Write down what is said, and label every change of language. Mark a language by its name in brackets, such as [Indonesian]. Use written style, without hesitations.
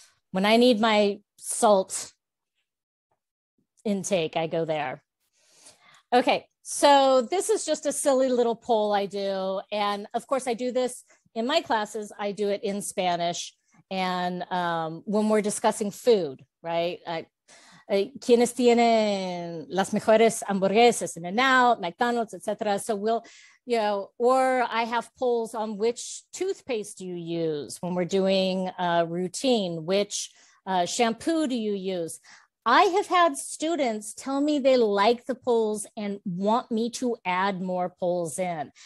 [English] When I need my salt intake, I go there. Okay, so this is just a silly little poll I do. And of course I do this in my classes, I do it in Spanish. And when we're discussing food, right? [Spanish] ¿Quiénes tienen las mejores hamburguesas in and out, McDonald's, etc.? [English] So we'll, you know, or I have polls on which toothpaste do you use when we're doing a routine, which shampoo do you use? I have had students tell me they like the polls and want me to add more polls in.